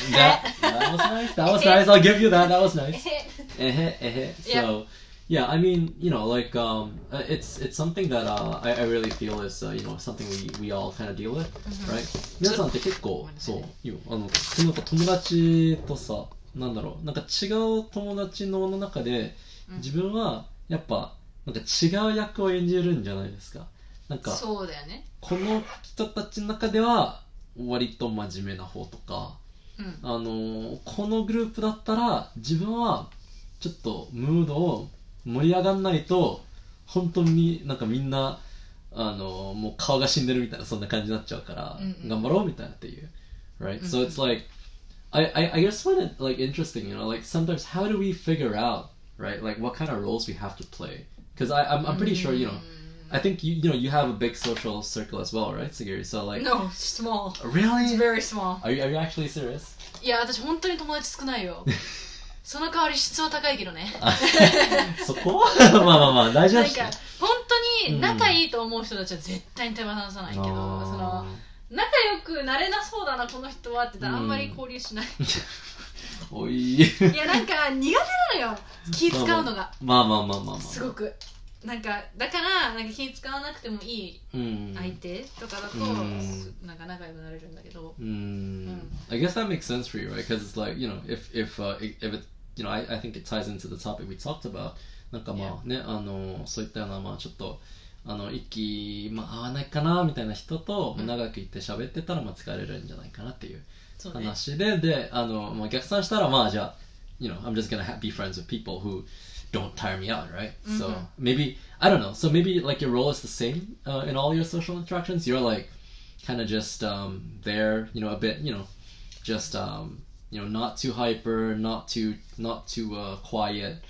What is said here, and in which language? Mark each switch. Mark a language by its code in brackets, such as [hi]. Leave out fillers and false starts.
[en] That was nice, I'll give you that, that was nice. So, yeah, I mean, you know, like, it's something that I really feel is, you know, something we all kind of deal with, right? [ja] 皆さんって結構、そう、いいよ、なんか友達とさ、なんだろう、なんか違う友達の中で、自分はやっぱ、なんか違う役を演じるんじゃないですか。なんか、そうだよね。この人たちの中では、割と真面目な方とか、このグループだったら、自分は、ちょっとムードを、盛り上がんないと本当になんかみんなもう顔が死んでるみたいなそんな感じになっちゃうから、うんうん、頑張ろうみたいなっていう [en] right、うんうん、so it's like I just find it like interesting, you know, like sometimes how do we figure out right like what kind of roles we have to play, because I'm pretty sure, you know, I think you know you have a big social circle as well, right, Sigiri? So like no, small. Really? It's very small. Are you actually serious? [ja] Yeah, 私本当に友達少ないよ。その代わり質は高いけどね。そこまあまあまあ、大事だし。なんか、本当に仲いいと思う人たちは絶対に手放さないけど、その、仲良くなれなそうだな、この人はって言ったら、あんまり交流しない。おい。いや、なんか、苦手なのよ。気使うのが。まあまあまあまあまあ。すごく。なんか、だから、なんか気使わなくてもいい相手とかだと、なんか仲良くなれるんだけど。 [en] I guess that makes sense for you, right? Because it's like, you know, if it, you know, I think it ties into the topic we talked about. [ja] なんかまあね、 [en] yeah. [ja] そういったような、まあちょっと、息、まあ合わないかな、みたいな人と、長く行って喋ってたら、まあ疲れるんじゃないかなっていう話で、そうね、で、まあ逆算したら、まあじゃあ、 [en] you know, I'm just gonna be friends with people who don't tire me out, right?、 Mm-hmm. So maybe, I don't know, so maybe like your role is the same、in all your social interactions. You're like, kind of just there, you know, a bit, you know,just you know, not too hyper, not too quiet,